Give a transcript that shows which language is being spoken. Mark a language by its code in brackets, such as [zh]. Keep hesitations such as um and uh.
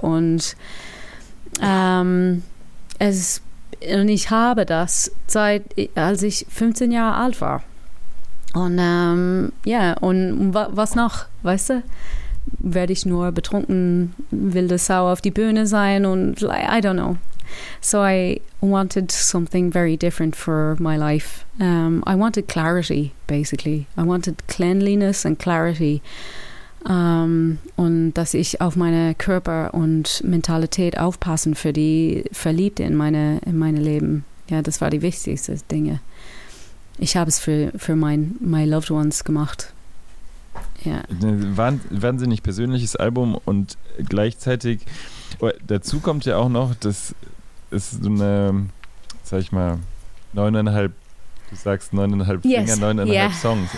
[de] Und ähm, es und ich habe das seit als ich 15 Jahre alt war. Und ja, um, yeah, und wa was noch, weißt du? Werde ich nur betrunken, wilde Sau auf die Bühne sein und like, [en] I don't know. So I wanted something very different for my life. Um, I wanted clarity, basically. I wanted cleanliness and clarity. [de] Um, und dass ich auf meine Körper und Mentalität aufpassen für die Verliebte in meine, in meine Leben. Ja, das war die wichtigste Dinge ich habe es für, für mein [en] my loved ones [de] gemacht. Ja. [en] Yeah. [de] Ein wahnsinnig persönliches Album und gleichzeitig oh, dazu kommt ja auch noch, dass es so eine, sag ich mal, neuneinhalb, du sagst neuneinhalb Finger, yes. Finger, neuneinhalb yeah. Songs.